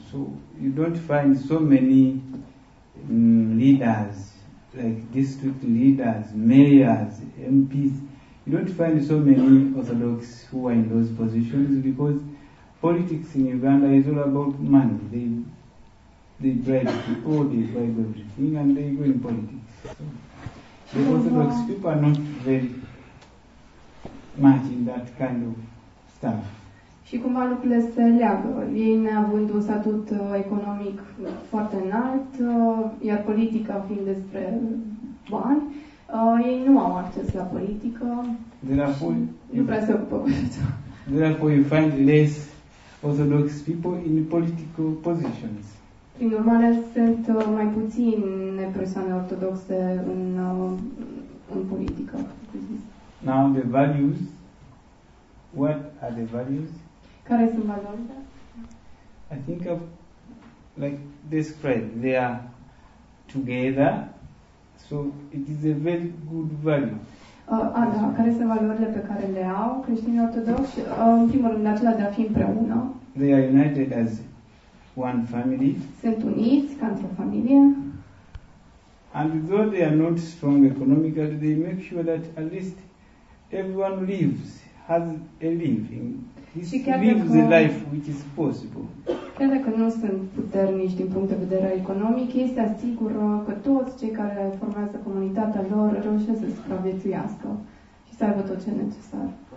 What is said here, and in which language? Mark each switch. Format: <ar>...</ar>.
<en>So, you don't find so many leaders, like district leaders, mayors, MPs, you don't find so many Orthodox who are in those positions because politics in Uganda is all about money. They bribe people, they bribe everything, and they go in politics. So the Orthodox people are not very much in that kind of stuff.</en> <ro>Și cumva lucrurile se leagă. Ei neavând un statut economic foarte înalt, iar politica fiind despre bani, ei nu au acces la politică.</ro> <en>Therefore, you find less Orthodox people in political positions.</en> <ro>Prin urmare, sunt mai puține persoane ortodoxe în politică.</ro> <en>Now, the values. What are the values?</en> <ro>Care sunt valorile?</ro> <en>I think of, like, described, they are together, so it is a very good value.</en> <ro>Care sunt valorile pe care le au creștinii ortodoxi? În primul rând, acela de a fi împreună.</ro> <en>They are united as one family.</en> <ro>Sunt uniți ca într-o familie.</ro> <en>And though they are not strong economically, they make sure that at least everyone lives, has a living. Lives a life which is possible.</en> <ro>Chiar dacă nu sunt puternici din punct de vedere economic, ei se asigură că toți cei care formează comunitatea lor reușesc să supraviețuiască și să aibă tot ce e necesar.</ro>